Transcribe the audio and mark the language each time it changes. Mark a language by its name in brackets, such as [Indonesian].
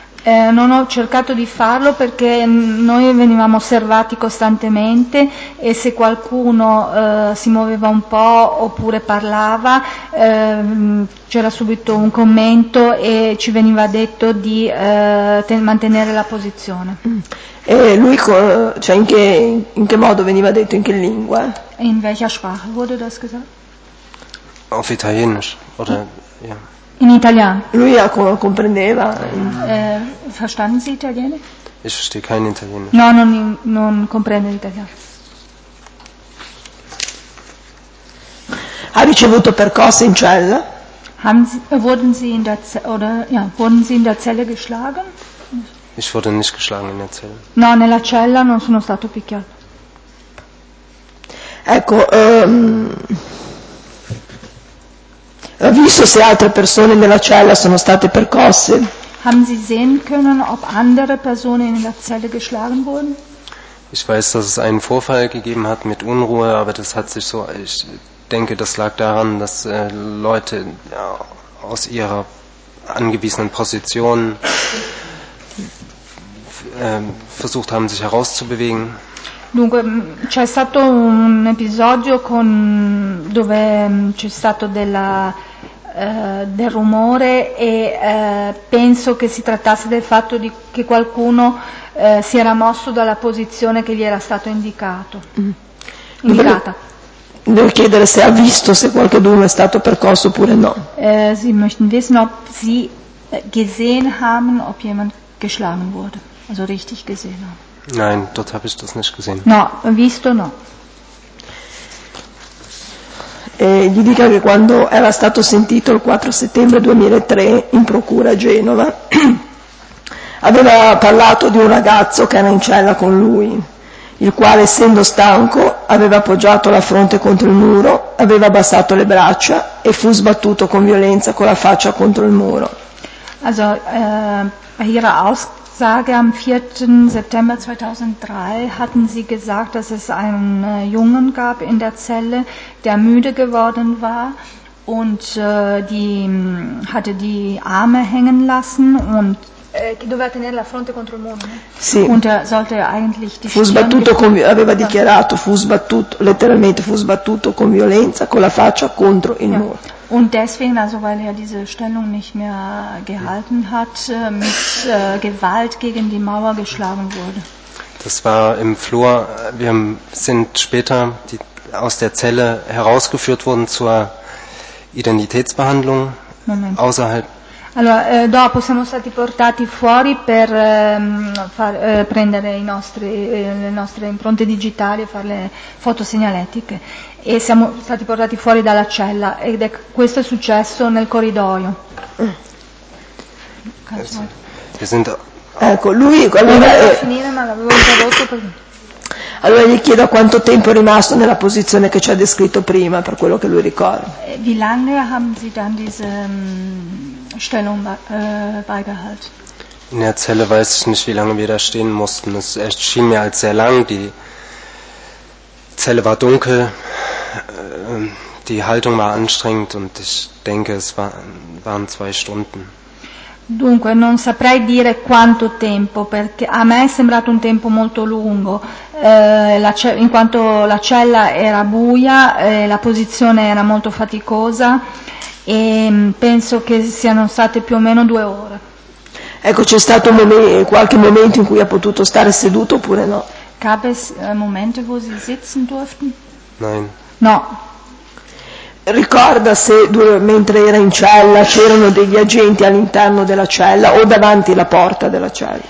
[Italian] Non ho cercato di farlo perché noi venivamo osservati costantemente e se qualcuno si muoveva un po' oppure parlava c'era subito un commento e ci veniva detto di mantenere la posizione. E lui, cioè in che modo veniva detto, in che lingua? [German] In welcher Sprache wurde das gesagt? Auf Italienisch, oder, ja. [Italian] In italiano. Lui comprendeva. [German] Verstanden Sie Italiano? Ich verstehe kein Italienisch. [Italian] No, non comprende l'italiano. Ha ricevuto percosse in cella? [German] Wurden Sie in der Zelle geschlagen? Ich wurde nicht geschlagen in der Zelle. [Italian] No, nella cella non sono stato picchiato. Ecco, ha visto se altre persone nella cella sono state percosse? [German] Haben Sie sehen können, ob andere Personen in der Zelle geschlagen wurden? Ich weiß, dass es einen Vorfall gegeben hat mit Unruhe, aber das hat sich so, ich denke, das lag daran, dass Leute aus ihrer angewiesenen Position versucht haben, sich herauszubewegen. [Italian] Dunque, c'è stato un episodio dove c'è stato del rumore e penso che si trattasse del fatto di che qualcuno si era mosso dalla posizione che gli era stato indicata. Devo chiedere se ha visto se qualcuno è stato percosso oppure no. [German] Sie möchten wissen, ob Sie gesehen haben, ob jemand geschlagen wurde, also richtig gesehen haben. Nein, dort habe ich das nicht gesehen. [Italian] No, visto no. E gli dica che quando era stato sentito il 4 settembre 2003 in procura a Genova, aveva parlato di un ragazzo che era in cella con lui, il quale, essendo stanco, aveva appoggiato la fronte contro il muro, aveva abbassato le braccia e fu sbattuto con violenza con la faccia contro il muro. [German] Also, era Sage am 4. September 2003 hatten Sie gesagt, dass es einen Jungen gab in der Zelle, der müde geworden war und hatte die Arme hängen lassen und doveva tenere la fronte contro il muro. [Italian] Sì. [German] Und er sollte eigentlich [Italian] fu sbattuto con aveva dichiarato fu sbattuto letteralmente fu sbattuto con violenza con la faccia contro il muro. [German] Und deswegen, also weil er diese Stellung nicht mehr gehalten hat, mit Gewalt gegen die Mauer geschlagen wurde. Das war im Flur. Wir sind später aus der Zelle herausgeführt worden zur Identitätsbehandlung. Moment. Außerhalb. [Italian] Allora, dopo siamo stati portati fuori per prendere le nostre impronte digitali e fare le foto segnaletiche. E siamo stati portati fuori dalla cella ed è questo è successo nel corridoio. Ecco, lui allora, finire, ma l'avevo interrotto per... Allora gli chiedo quanto tempo è rimasto nella posizione che ci ha descritto prima, per quello che lui ricorda. [German] Wie lange haben Sie dann diese Stellung beibehalten? In der Zelle weiß ich nicht, wie lange wir da stehen mussten. Es erschien mir als sehr lang. Die Zelle war dunkel. Die Haltung war anstrengend und ich denke, es waren zwei Stunden. [Italian] Dunque, non saprei dire quanto tempo, perché a me è sembrato un tempo molto lungo, in quanto la cella era buia, la posizione era molto faticosa e penso che siano state più o meno 2 ore. Ecco, c'è stato qualche momento in cui ha potuto stare seduto oppure no? [German] Gab es Momente, wo Sie sitzen durften? Nein. [Italian] No. Ricorda se mentre era in cella c'erano degli agenti all'interno della cella o davanti alla porta della cella?